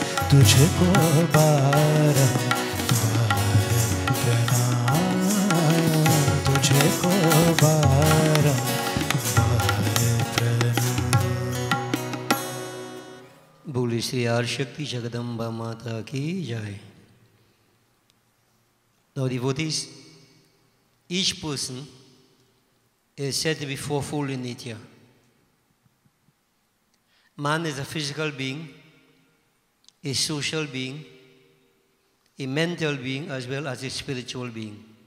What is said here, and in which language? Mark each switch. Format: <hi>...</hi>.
<hi>तुझको बारंबार प्रणाम। तुझको बारंबार प्रणाम। बोली श्री आदिशक्ति जगदम्बा माता की जय.</hi> <en>Now devotees, each person is said to be fourfold in nature. Man is a physical being, a social being, a mental being, as well as a spiritual being.</en>